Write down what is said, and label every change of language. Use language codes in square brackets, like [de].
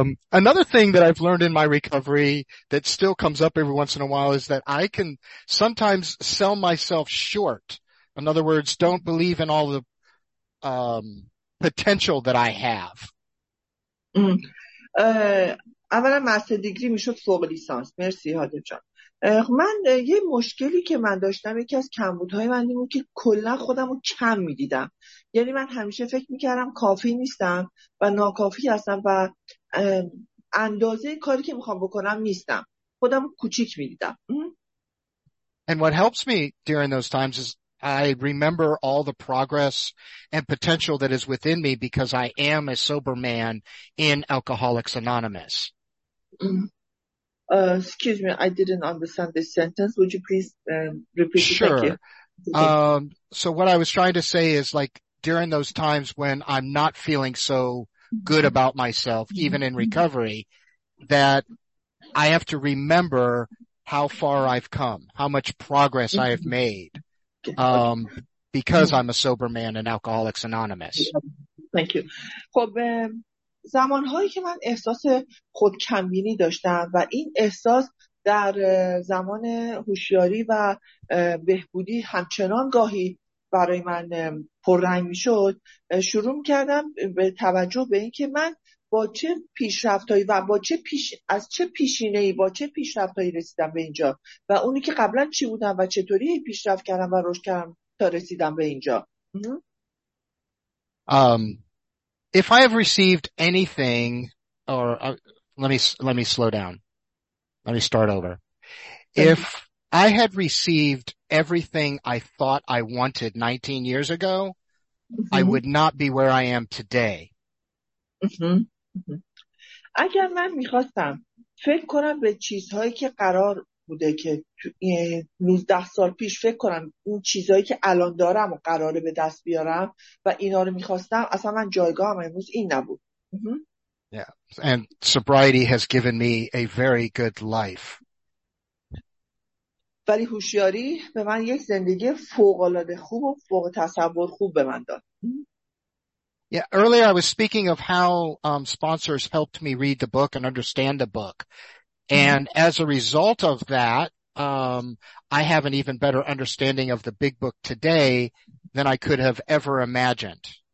[en] Another thing that I've learned in my recovery that still comes up every once in a while is that I can sometimes sell myself short. In other words, don't believe in all the potential that I have. [fa] اولا مستر دیگری میشد فوق لیسانس. مرسی هادم جان. من یه مشکلی که من داشتم یکی از کمبودهای من این بود که کلا خودم رو کم میدیدم. یعنی من همیشه فکر میکردم کافی نیستم و ناکافی هستم و اندازه کاری که میخوام بکنم نیستم. خودم رو کوچیک میدیدم. [en] And what helps me during those times is I remember all the progress and potential that is within me because I am a sober man in Alcoholics Anonymous. Excuse me, I didn't understand this sentence. Would you please repeat it? Sure. So what I was trying to say is like during those times when I'm not feeling so good about myself, even in recovery, that I have to remember how far I've come, how much progress I have made. Because I'm a sober man in Alcoholics Anonymous. Thank you. [fa] خب زمانهایی که من احساس خودکمبینی داشتم و این احساس در زمان هوشیاری و بهبودی همچنان گاهی برای من پررنگ می شد، شروع کردم به توجه به این که من با چه پیشرفتایی و با چه پیش از چه پیشینه‌ای با چه پیشرفتایی رسیدم به اینجا و اونی که قبلا چی بودم و چطوری پیشرفت کردم و رشد کردم تا رسیدم به اینجا. [en] If I have received anything or let me slow down. Let me start over. If I had received everything I thought I wanted 19 years ago, I would not be where I am today. [fa] اگر من می‌خواستم فکر کنم به چیزهایی که قرار بوده که 19 سال پیش فکر کنم اون چیزهایی که الان دارم و قراره به دست بیارم و اینا رو می‌خواستم، اصلا من جایگاهم امروز این نبود. [en] Yeah, and sobriety has given me a very good life. [fa] ولی هوشیاری به من یک زندگی فوق‌العاده خوب و فوق تصور خوب به من داد. [en] Yeah, earlier I was speaking of how sponsors helped me read the book and understand the book. And as a result of that, I have an even better understanding of the big book today than I could have ever imagined.